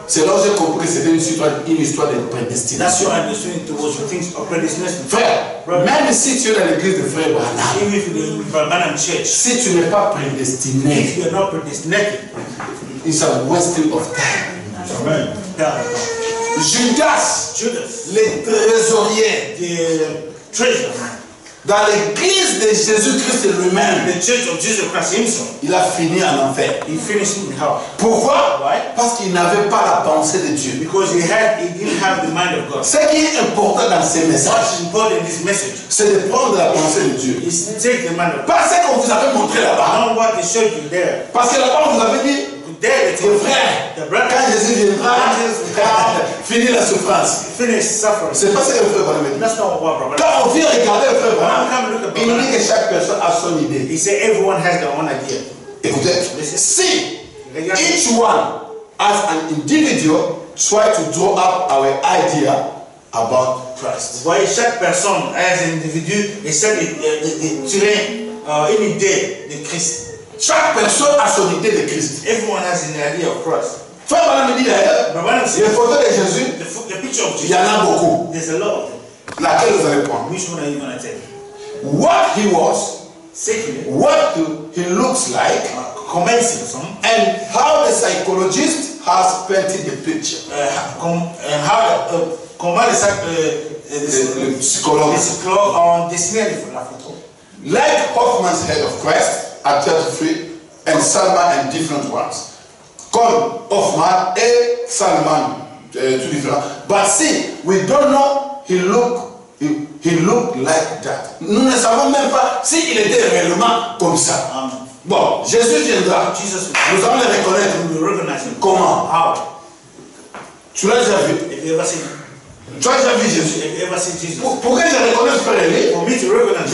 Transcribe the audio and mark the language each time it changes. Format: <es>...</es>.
<fr>C'est là que j'ai compris que c'était une histoire de prédestination.</fr> <en>That's what I'm doing towards the things of predestination.</en> <fr>Frère,</fr> <en>brother,</en> <fr>même si tu es dans l'église de frère Branham,</fr> <en>even if you're in the Branham church,</en> <fr>si tu n'es pas prédestiné,</fr> <en>if you're not predestined, it's a wasting of time. Amen. Judas,</en> <fr>le trésorier,</fr> <en>the treasurer,</en> <fr>dans l'église de Jésus-Christ lui-même,</fr> <en>the church of Jesus Christ himself,</en> <fr>il a fini en enfer.</fr> <en>He finished in hell.</en> <fr>Pourquoi?</fr> <en>Why?</en> <fr>Parce qu'il n'avait pas la pensée de Dieu.</fr> <en>Because he didn't have the mind of God.</en> <fr>Ce qui est important dans ces messages,</fr> <en>what's important in this message,</en> <fr>c'est de prendre la pensée de Dieu.</fr> <en>Is to take the mind of God.</en> <fr>Pas ce qu'on vous avait montré là-bas.</fr> <en>Not what they showed you there.</en> <fr>Parce que là-bas on vous avait dit. Le frère, quand Jésus viendra, finit la souffrance.</fr> <en>Finish suffering.</en> <fr>C'est pas ce que le frère Branham dit.</fr> <en>That's not what Branham.</en> <fr>Quand on vient regarder le frère Branham, il dit que chaque personne a son idée.</fr> <en>He said everyone has their own idea.</en> <fr>Écoutez,</fr> <en>listen. See, each one as an individual try to draw up our idea about Christ.</en> <fr>Voyez chaque personne</fr> <en>as an</en> <fr>individu essaie de tirer une idée de Christ. Chaque personne a son idée de Christ.</fr> <en>Everyone has an idea of Christ.</en> <fr>Frère Branham dit d'ailleurs, les photos de Jésus,</fr> <en>the picture of Jesus,</en> <fr>il y en a beaucoup.</fr> <en>There's a lot of them.</en> <fr>Laquelle vous allez prendre?</fr> <en>Which one are you going to take? What he was, secondly, what he looks like, commencing, and how the psychologist has painted the picture. The psychologist, like Hoffman's Head of Christ at 33, and Salman and different ones.</en> <fr>Comme Hoffman et Salman, tout différent.</fr> <en>But see, we don't know he looked like that.</en> <fr>Nous ne savons même pas s'il était réellement comme ça. Amen. Bon, Jésus viendra.</fr> <en>Jesus,</en> <fr>nous allons le reconnaître.</fr> <en>We will recognize him.</en> <fr>Comment?</fr> <en>How?</en> <fr>Tu l'as déjà vu?</fr> <en>Have you ever seen?</en> <fr>Tu as déjà vu Jésus?</fr> <en>Have you ever seen Jesus?</en> <fr>Pour que je reconnaisse Frère Eli,</fr> <en>for me to recognize</en>